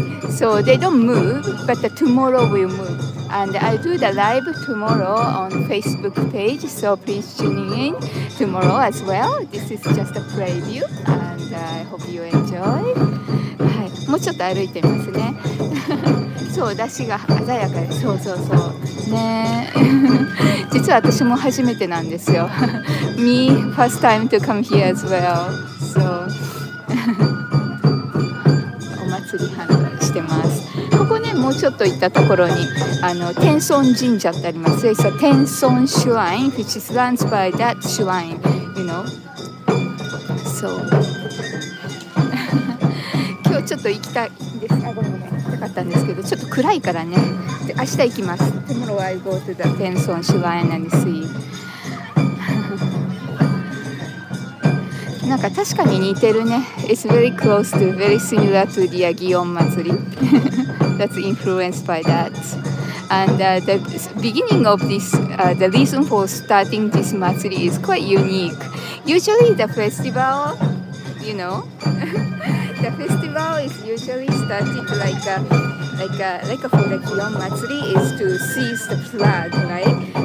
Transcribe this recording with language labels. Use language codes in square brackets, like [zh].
[en] So they don't move, but tomorrow will move. And I do the live tomorrow on Facebook page. So please tune in tomorrow as well. This is just a preview, and I hope you enjoy. [ja] はい、もうちょっと歩いてみますね。そう、出汁が鮮やかで、そうそうそう。ね、実は私も初めてなんですよ。 [en] Me first time to come here as well。 そう。 [ja] お祭り販売してます。ここね、もうちょっと行ったところに天孫神社ってあります。 [en] It's a 天孫 shrine which is run by that shrine。 You know。 そう。 [ja] 今日ちょっと行きたいです。あ、ごめんね。かったんですけど、ちょっと暗いからね。で、明日行きます。 [en] Tomorrow I go to the 天孫 shrine and see。 [ja] なんか確かに似てるね。 [en] It's very close to, very similar to the 祇園祭。 That's influenced by that. And the beginning of this, the reason for starting this 祭 is quite unique. Usually the festival, you know, the festival is usually started like for the Gion Matsuri is to seize the flag, right?